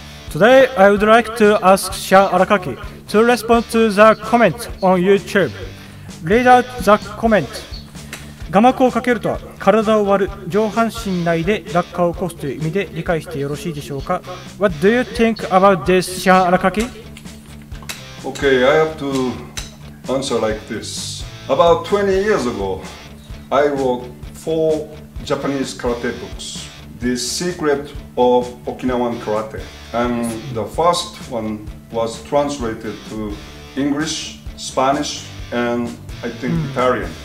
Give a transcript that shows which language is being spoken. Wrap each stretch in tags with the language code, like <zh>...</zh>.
<en>Today, I would like to ask Shihan Arakaki to respond to the comment on YouTube. Read out the comment.</en> <ja>Gamaku をかけると体を割る上半身内で落下を起こすという意味で理解してよろしいでしょうか?</ja> <en>What do you think about this, Shihan Arakaki? Okay, I have to answer like this. About 20 years ago, I wrote four Japanese karate books. The Secret of Okinawan Karate. And the first one was translated to English, Spanish, and I think Italian.</en>